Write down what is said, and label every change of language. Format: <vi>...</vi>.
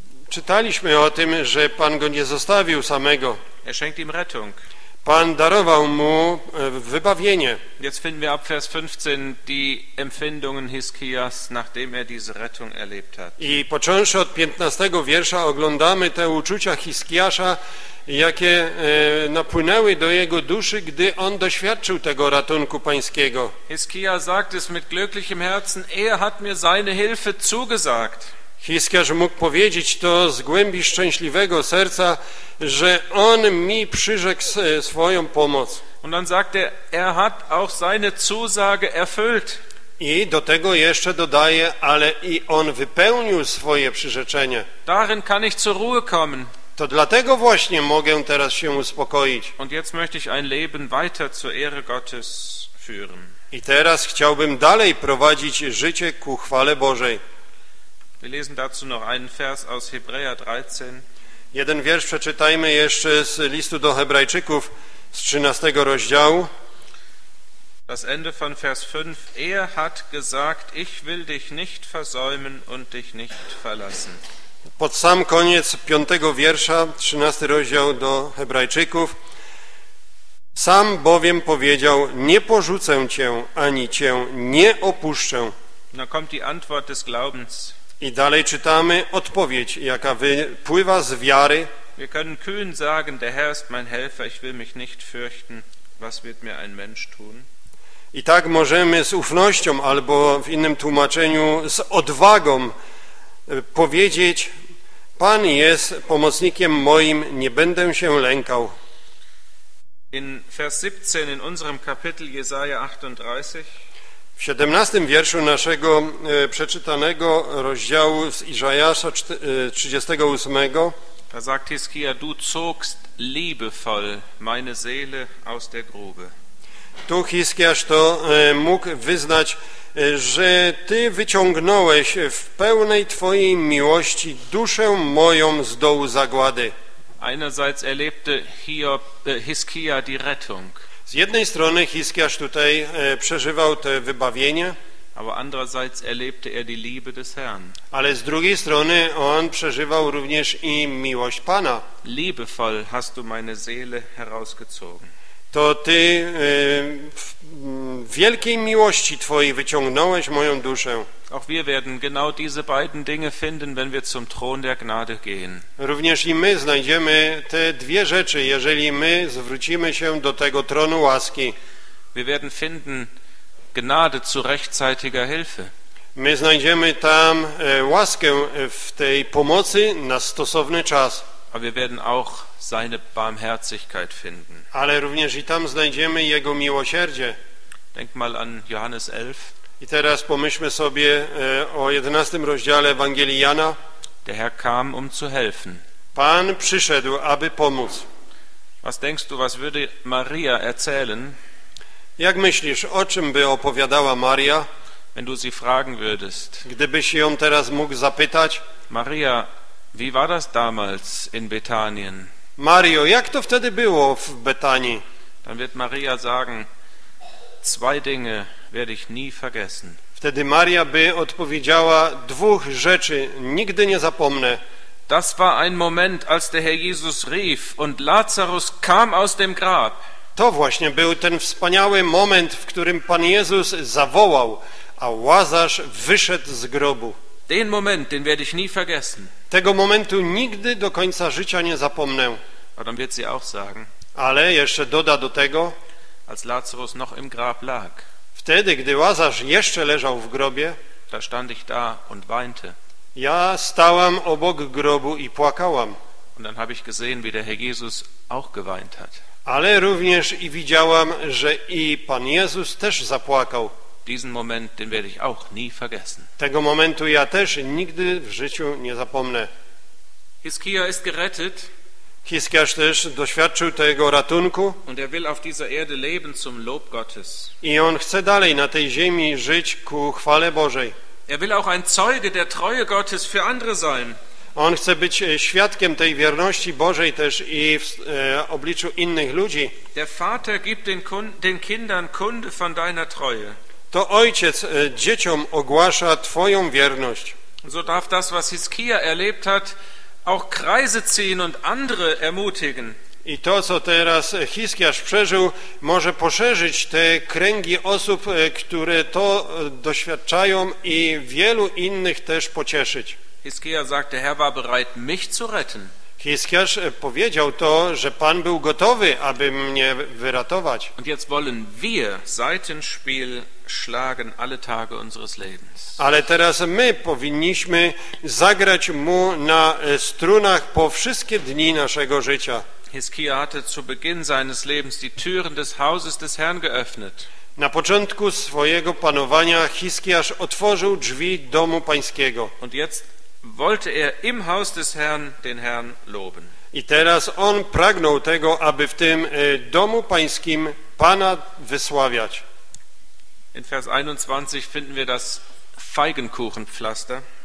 <pl>Czytaliśmy o tym, że Pan go nie zostawił samego.</pl> <de>Er schenkt ihm Rettung.</de> <pl>Pan darował mu wybawienie.</pl> <de>Jetzt finden wir ab Vers 15 die Empfindungen Hiskias, nachdem er diese Rettung erlebt hat.</de> <pl>I począwszy od 15 wiersza oglądamy te uczucia Hiskiasza, jakie napłynęły do jego duszy, gdy on doświadczył tego ratunku pańskiego.</pl> <de>Hiskia sagt es mit glücklichem Herzen, er hat mir seine Hilfe zugesagt.</de> <pl>Hiskiasz mógł powiedzieć to z głębi szczęśliwego serca, że on mi przyrzekł swoją pomoc.</pl> <de>Und dann sagt er, er hat auch seine Zusage erfüllt.</de> <pl>I do tego jeszcze dodaje, ale i on wypełnił swoje przyrzeczenie.</pl> <de>Darin kann ich zur Ruhe kommen.</de> <pl>To dlatego właśnie mogę teraz się uspokoić.</pl> <de>Und jetzt möchte ich ein Leben weiter zur Ehre Gottes führen.</de> <pl>I teraz chciałbym dalej prowadzić życie ku chwale Bożej.</pl> <de>Wir lesen dazu noch einen Vers aus Hebräer 13.</de> <pl>Jeden wiersz przeczytajmy jeszcze z listu do Hebrajczyków z 13 rozdziału.</pl> <de>Das Ende von Vers 5. Er hat gesagt, ich will dich nicht versäumen und dich nicht verlassen.</de> <pl>Pod sam koniec 5 wiersza, 13 rozdział do Hebrajczyków. Sam bowiem powiedział, nie porzucę cię, ani cię nie opuszczę.</pl> <de>No kommt die Antwort des Glaubens.</de> <pl>I dalej czytamy odpowiedź, jaka wypływa z wiary.</pl> <de>Wir können kühn sagen, der Herr ist mein Helfer, ich will mich nicht fürchten, was wird mir ein Mensch tun?</de> <pl>I tak możemy z ufnością, albo w innym tłumaczeniu z odwagą powiedzieć, Pan jest pomocnikiem moim, nie będę się lękał.</pl> <de>In Vers 17 in unserem Kapitel Jesaja 38.</de> <pl>W 17 wierszu naszego przeczytanego rozdziału z Izajasza 38.</pl> <de>Da sagt Hiskia, du zogst liebevoll meine Seele aus der Grube.</de> <pl>Tu Hiskiasz to mógł wyznać, że ty wyciągnąłeś w pełnej twojej miłości duszę moją z dołu zagłady.</pl> <de>Einerseits erlebte Hiskia die Rettung.</de> <pl>Z jednej strony Hiskiasz tutaj przeżywał to wybawienie,</pl> <de>aber andererseits erlebte er die Liebe des Herrn.</de> <pl>Ale z drugiej strony on przeżywał również i miłość Pana.</pl> <de>Liebevoll hast du meine Seele herausgezogen.</de> <pl>To ty w wielkiej miłości twojej wyciągnąłeś moją duszę.</pl> <de>Auch wir werden genau diese beiden Dinge finden, wenn wir zum Thron der Gnade gehen.</de> <pl>Również i my znajdziemy te dwie rzeczy, jeżeli my zwrócimy się do tego tronu łaski.</pl> <de>Wir werden finden Gnade zu rechtzeitiger Hilfe.</de> <pl>My znajdziemy tam łaskę w tej pomocy na stosowny czas.</pl> <de>Aber wir werden auch seine Barmherzigkeit finden.</de> <pl>Ale również i tam znajdziemy jego miłosierdzie.</pl> <de>Denk mal an Johannes 11.</de> <pl>I teraz pomyślmy sobie o 11 rozdziale Ewangelii Jana.</pl> <de>Der Herr kam, um zu helfen.</de> <pl>Pan przyszedł, aby pomóc.</pl> <de>Was denkst du, was würde Maria erzählen?</de> <pl>Jak myślisz, o czym by opowiadała Maria?</pl> <de>Wenn du sie fragen würdest.</de> <pl>Gdybyś ją teraz mógł zapytać.</pl> <de>Maria, wie war das damals in Betanien?</de> <pl>Mario, jak to wtedy było w Betanii?</pl> <de>Dann wird Maria sagen, zwei Dinge werde ich nie vergessen.</de> <pl>Wtedy Maria by odpowiedziała, dwóch rzeczy nigdy nie zapomnę.</pl> <de>Das war ein Moment, als der Herr Jesus rief und Lazarus kam aus dem Grab.</de> <pl>To właśnie był ten wspaniały moment, w którym Pan Jezus zawołał, a Łazarz wyszedł z grobu.</pl> <de>Den Moment, den werde ich nie vergessen.</de> <pl>Tego momentu nigdy do końca życia nie zapomnę.</pl> <de>Dann wird sie auch sagen,</de> <pl>ale jeszcze doda do tego,</pl> <de>als Lazarus noch im Grab lag.</de> <pl>Wtedy, gdy Łazarz jeszcze leżał w grobie,</pl> <de>da stand ich da und weinte.</de> <pl>Ja stałam obok grobu i płakałam.</pl> <de>Und dann habe ich gesehen, wie der Herr Jesus auch geweint hat.</de> <pl>Ale również i widziałam, że i Pan Jezus też zapłakał.</pl> <de>Diesen Moment, den werde ich auch nie vergessen.</de> <pl>Tego momentu ja też nigdy w życiu nie zapomnę.</pl> <de>Hiskia ist gerettet.</de> <pl>Hiskiasz też doświadczył tego ratunku.</pl> <de>Und er will auf dieser Erde leben zum Lob Gottes.</de> <pl>I on chce dalej na tej ziemi żyć ku chwale Bożej.</pl> <de>Er will auch ein Zeuge der Treue Gottes für andere sein.</de> <pl>On chce być świadkiem tej wierności Bożej też i w obliczu innych ludzi.</pl> <de>Der Vater gibt den Kindern Kunde von deiner Treue.</de> <pl>To Ojciec dzieciom ogłasza Twoją wierność.</pl> <de>So darf das, was Hiskia erlebt hat, auch Kreise ziehen und andere ermutigen.</de> <pl>I to, co teraz Hiskiasz przeżył, może poszerzyć te kręgi osób, które to doświadczają i wielu innych też pocieszyć.</pl> <de>Hiskia sagte, Herr war bereit, mich zu retten.</de> <pl>Hiskiasz powiedział to, że Pan był gotowy, aby mnie wyratować.</pl> <de>Und jetzt wollen wir Seitenspiel schlagen alle Tage unseres Lebens.</de> <pl>Ale teraz my powinniśmy zagrać mu na strunach po wszystkie dni naszego życia.</pl> <de>Hiskia hatte zu Beginn seines Lebens die Türen des Hauses des Herrn geöffnet.</de> <pl>Na początku swojego panowania Hiskiasz otworzył drzwi domu Pańskiego.</pl> <de>Und jetzt wollte er im Haus des Herrn den Herrn loben.</de> <pl>I teraz on pragnął tego, aby w tym domu Pańskim Pana wysławiać.</pl> <de>In Vers 21 finden wir das Feigenkuchenpflaster.</de>